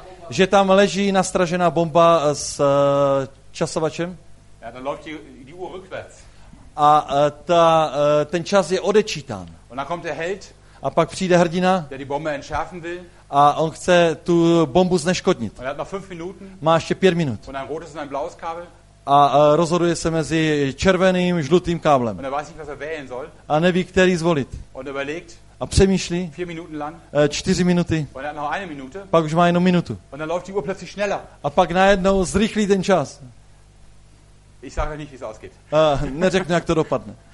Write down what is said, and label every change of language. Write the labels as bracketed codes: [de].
[cs] Že tam leží nastražená bomba s časovačem? [de] Ja, dann läuft die Uhr rückwärts. [cs] A ten čas je odečítán. [de] Und dann kommt der Held. [cs] A pak přijde hrdina, [de] der die Bombe entschärfen will. [cs] A on chce tu bombu zneškodnit. [de] Und er hat noch 5 Minuten. [cs] Má ještě 5 minut. [de] Und ein rotes und ein blaues Kabel. [cs] a rozhoduje se mezi červeným, žlutým káblem. [de] Und er weiß nicht, was er wählen soll. [cs] A neví, který zvolit. [de] Und überlegt. [cs] A přemýšlí. [de] 4 Minuten lang. [cs] 4 minuty. [de] Und er hat noch eine Minute. [cs] Pak už má jenom minutu. [de] Und dann läuft die Uhr plötzlich schneller. [cs] A pak najednou zrychlí ten čas. [de] Ich sage nicht, wie es ausgeht. [cs] Neřeknu, jak to dopadne.